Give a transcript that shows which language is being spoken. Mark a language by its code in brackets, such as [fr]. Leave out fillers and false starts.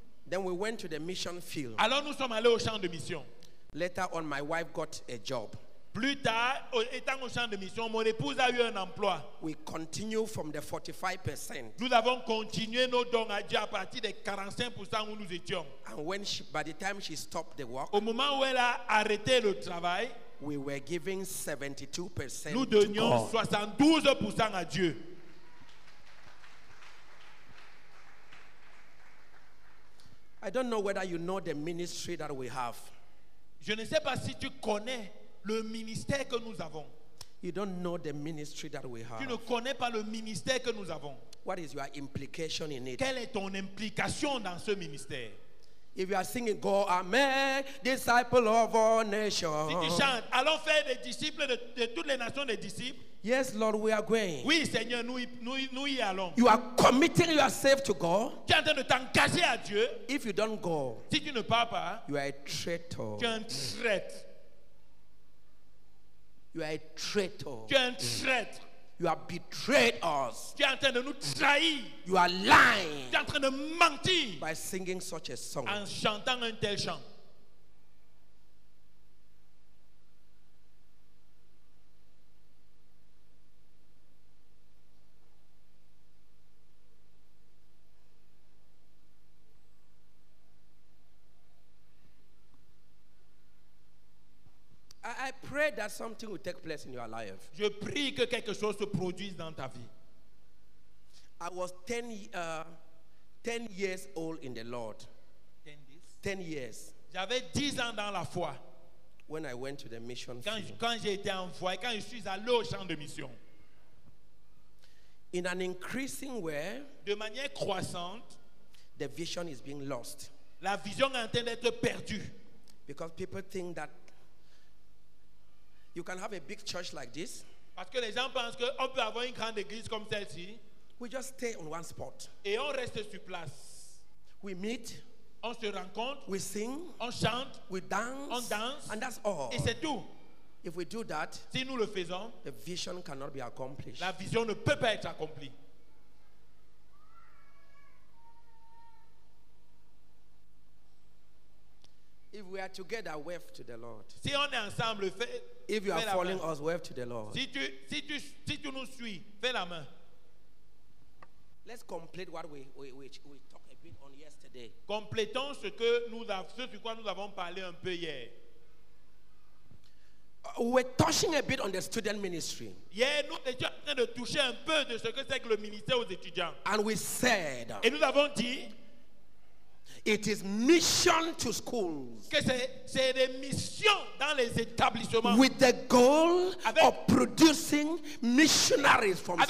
[en] Then we went to the mission field. [fr] Alors nous sommes allés au champ de mission. [en] Later on, my wife got a job. [fr] Plus tard, étant au champ de mission, mon épouse a eu un emploi. [en] We continue from the 45%. [fr] Nous avons continué nos dons à Dieu à partir des 45% où nous étions. [en] And when she, by the time she stopped the work, [fr] au moment où elle a arrêté le travail, [en] we were giving 72% [fr] nous donnions 72% à Dieu. [en] I don't know whether you know the ministry that we have. [fr] Je ne sais pas si tu connais le ministère que nous avons. [en] You don't know the ministry that we have. [fr] Tu ne connais pas le ministère que nous avons. [en] What is your implication in it? [fr] Quelle est ton implication dans ce ministère? [en] If you are singing, go and make disciples of all nations. [fr] Si tu chantes, allons faire des disciples de toutes les nations des disciples. [en] Yes, Lord, we are going. [fr] Oui, Seigneur, nous y allons. [en] You are committing yourself to God. [fr] Tu es en train de t'engager à Dieu. [en] If you don't go, [fr] si tu ne pars pas, [en] you are a traitor. [fr] Tu es un traître. [en] You are a traitor. [fr] Tu es un traître. [en] You have betrayed us. [fr] Tu es en train de nous trahir. [en] You are lying. [fr] Tu es en train de mentir. [en] By singing such a song. [fr] En chantant un tel chant. [en] I pray that something will take place in your life. [fr] Je prie que quelque chose se produise dans ta vie. [en] I was 10 years old in the Lord. 10 years. [fr] J'avais 10 ans dans la foi. [en] When I went to the mission [fr] quand, [en] field. [fr] Quand j'ai été envoyé, quand je suis allé au champ de mission. [en] In an increasing way, [fr] de manière croissante, [en] the vision is being lost. [fr] La vision est en train d'être perdue. [en] Because people think that you can have a big church like this. [fr] Parce que les gens pensent que on peut avoir une grande église comme celle-ci. [en] We just stay on one spot. [fr] Et on reste sur place. [en] We meet. [fr] On se rencontre. [en] We sing. [fr] On chante. [en] We dance. [fr] On danse. [en] And that's all. [fr] Et c'est tout. [en] If we do that, [fr] si nous le faisons, [en] the vision cannot be accomplished. [fr] La vision ne peut pas être accomplie. [en] If we are together, wave to the Lord. [fr] Si on est ensemble, [en] if you are following us, wave to the Lord. [fr] Si tu nous suis, fais la main. [en] Let's complete what we talked a bit on yesterday. [fr] Complétons ce que nous ce sur quoi nous avons parlé un peu hier. [en] We're touching a bit on the student ministry. [fr] Yeah, nous étions en train de toucher un peu de ce que c'est que le ministère aux étudiants. [en] And we said. [fr] Et nous avons dit. [en] It is mission to schools. [fr] Que c'est des missions dans les établissements. [en] With the goal of producing missionaries from